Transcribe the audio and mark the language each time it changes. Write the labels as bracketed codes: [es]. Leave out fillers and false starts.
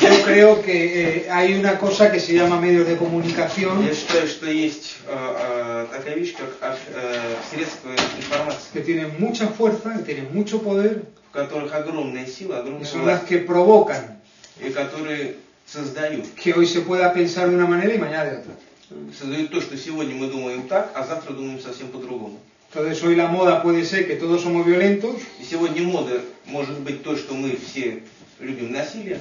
[es] Я creo que hay una cosa que se llama medios de comunicación. [ru] Я считаю, что есть такая вещь, как средства информации, [es] que tienen mucha fuerza, que tienen mucho poder, [ru] в которых огромная сила, огромная власть, [es] las que provocan, [ru] и которые создают, [es] que hoy se pueda pensar de una manera y mañana de otra. [ru] Создают то, что сегодня мы думаем так, а завтра думаем совсем по-другому. [es] Entonces hoy la moda puede ser que todos somos violentos. [ru] И сегодня мода может быть то, что мы все любим насилие.